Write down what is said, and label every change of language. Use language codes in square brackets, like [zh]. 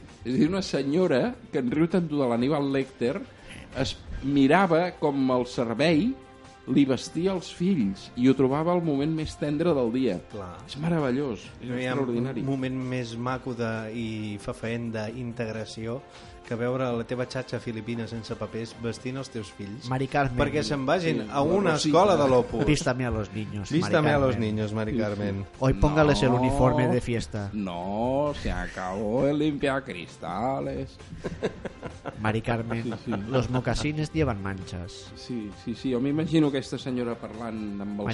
[ca] És a dir, una senyora que en riu tant de l'Aníbal Lecter es mirava com el servei li vestia els fills i ho trobava el moment més tendre del dia. Clar. És meravellós, és no extraordinari. Un moment més maco i fefaent d'integració que veure la teva xatxa filipina sense papers vestint els teus fills. Mari Carmen. Perquè se'n vagin a una escola de l'Opus. [es] Vístame a los niños, Vístame a los niños, Mari Carmen. Hoy póngales el uniforme de fiesta. No, se acabó el limpiar cristales. Mari Carmen, los mocassines llevan manchas. Sí, sí, sí. [ca] Jo m'imagino aquesta senyora parlant amb el